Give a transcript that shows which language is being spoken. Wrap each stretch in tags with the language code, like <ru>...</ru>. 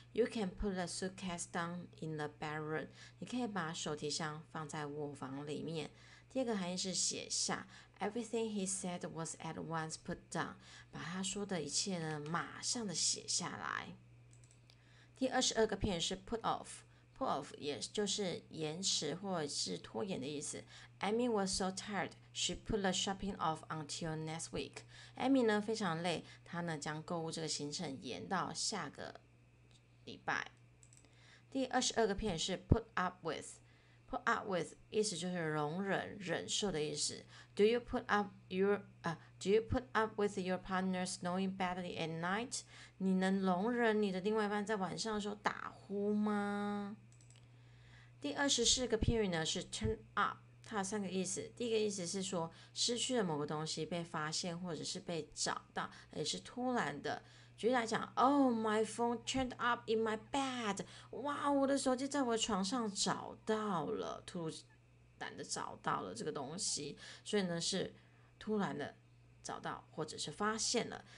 <en>You can put the suitcase down in the bedroom.</en> <zh>你可以把手提箱放在卧房里面。第二个含义是写下。</zh> <en>Everything he said was at once put down.</en> <zh>把他说的一切呢，马上的写下来。第二十二个片语是 put off。Put off 也就是延迟或是拖延的意思。</zh> <en>Amy was so tired, she put the shopping off until next week.</en> <zh>Amy 呢非常累，她呢将购物这个行程延到下个礼拜。第二十二个片语是 put up with。Put up with 意思就是容忍、忍受的意思。</zh> <en>Do you put up with your partner snoring badly at night?</en> <zh>你能容忍你的另外一半在晚上的时候打呼吗？第二十四个片语呢是 turn up， 它有三个意思。第一个意思是说失去了某个东西被发现或者是被找到，也是突然的。举例来讲 ，</zh> <en>Oh my phone turned up in my bed，</en> <zh>哇，我的手机在我床上找到了，突然的找到了这个东西，所以呢是突然的找到或者是发现了。</zh>